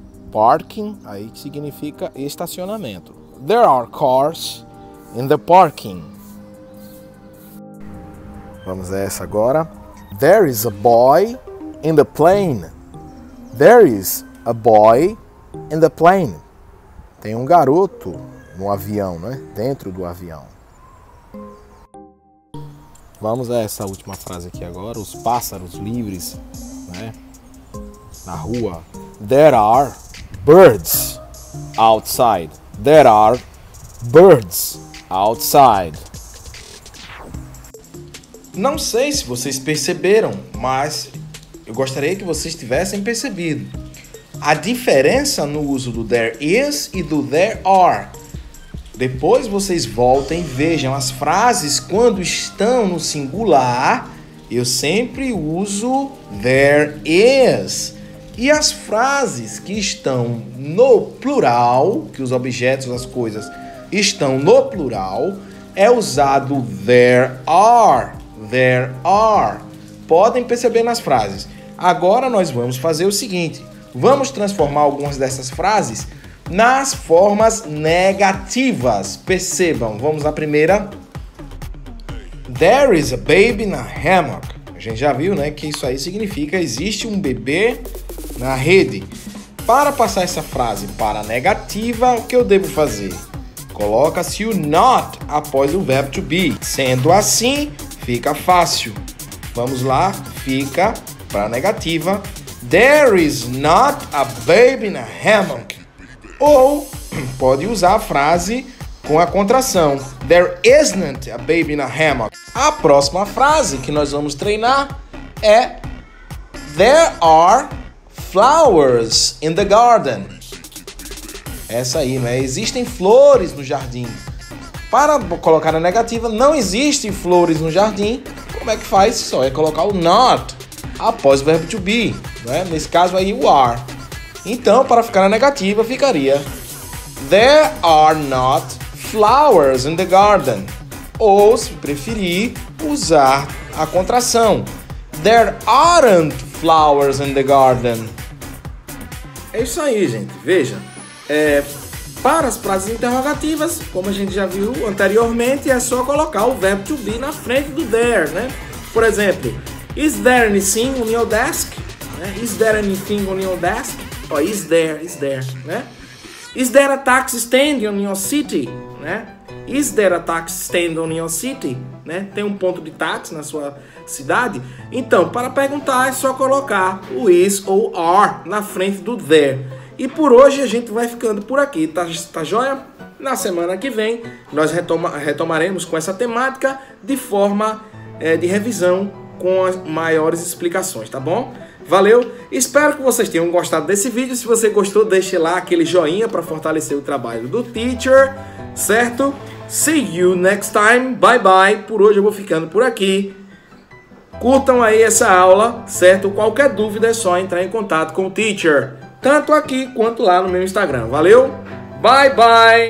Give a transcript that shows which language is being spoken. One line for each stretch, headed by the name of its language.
English: Parking,
Portuguese: aí significa estacionamento.
English: There are cars in the parking.
Portuguese: Vamos a essa agora.
English: There is a boy in the plane. There is a boy in the plane.
Portuguese: Tem um garoto no avião, né? Dentro do avião. Vamos a essa última frase aqui agora. Os pássaros livres, né? Na rua.
English: There are birds outside. There are birds outside.
Portuguese: Não sei se vocês perceberam, mas eu gostaria que vocês tivessem percebido a diferença no uso do
English: there is
Portuguese: e do
English: there are.
Portuguese: Depois vocês voltem e vejam as frases quando estão no singular. Eu sempre uso
English: there is.
Portuguese: E as frases que estão no plural, que os objetos, as coisas estão no plural, é usado
English: there are. There are.
Portuguese: Podem perceber nas frases. Agora nós vamos fazer o seguinte. Vamos transformar algumas dessas frases nas formas negativas. Percebam. Vamos à primeira.
English: There is a baby in a hammock.
Portuguese: A gente já viu, né, que isso aí significa existe um bebê na rede. Para passar essa frase para a negativa, o que eu devo fazer? Coloca-se o not após o verbo to be. Sendo assim, fica fácil. Vamos lá, fica para a negativa.
English: There is not a baby in a hammock.
Portuguese: Ou pode usar a frase com a contração.
English: There isn't a baby in a hammock.
Portuguese: A próxima frase que nós vamos treinar é
English: there are flowers in the garden.
Portuguese: Essa aí, né? Existem flores no jardim. Para colocar na negativa, não existem flores no jardim. Como é que faz? Só é colocar o not após o verbo to be, né? Nesse caso aí, o are. Então, para ficar na negativa, ficaria
English: there are not flowers in the garden.
Portuguese: Ou, se preferir, usar a contração.
English: There aren't flowers in the garden.
Portuguese: É isso aí, gente. Veja, para as frases interrogativas, como a gente já viu anteriormente, é só colocar o verbo to be na frente do there, né? Por exemplo,
English: is there anything on your desk? Is there anything on your desk? Oh, is there, né? Is there a taxi stand on your city? Né? Is there a taxi stand on your city?
Portuguese: Né? Tem um ponto de táxi na sua cidade? Então, para perguntar, é só colocar o is ou are na frente do there. E por hoje a gente vai ficando por aqui, tá joia? Na semana que vem nós retomaremos com essa temática de forma de revisão com as maiores explicações, tá bom? Valeu, espero que vocês tenham gostado desse vídeo. Se você gostou, deixe lá aquele joinha para fortalecer o trabalho do teacher, certo?
English: See you next time, bye bye.
Portuguese: Por hoje eu vou ficando por aqui. Curtam aí essa aula, certo? Qualquer dúvida é só entrar em contato com o teacher, tanto aqui quanto lá no meu Instagram. Valeu, bye bye.